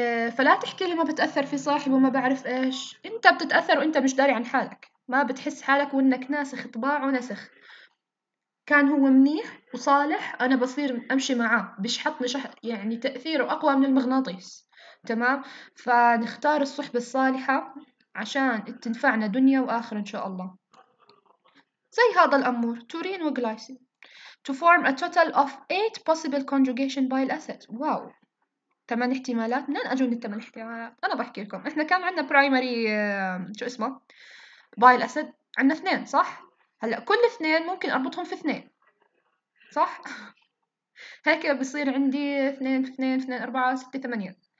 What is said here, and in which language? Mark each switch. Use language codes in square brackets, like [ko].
[ar] فلا تحكي لي ما بتأثر في صاحبه ما بعرف ايش. انت بتتأثر وانت مش داري عن حالك ما بتحس حالك وانك ناسخ طباعه ونسخ. كان هو منيح وصالح انا بصير امشي معاه بيشحطني يعني تأثيره اقوى من المغناطيس تمام. فنختار الصحبة الصالحة عشان تنفعنا دنيا واخر ان شاء الله. زي هذا الامور [en] Taurine وجلايسين to form a total of 8 possible conjugation bile acids. Wow wow. [ar] ثمان احتمالات. منين اجوا الثمان احتمالات؟ انا بحكي لكم، احنا كان عندنا برايمري شو اسمه بايل اسيد، عندنا اثنين صح. هلا كل اثنين ممكن اربطهم في اثنين صح، هيك بصير عندي اثنين في اثنين، اثنين اربعة ستة ثمانية.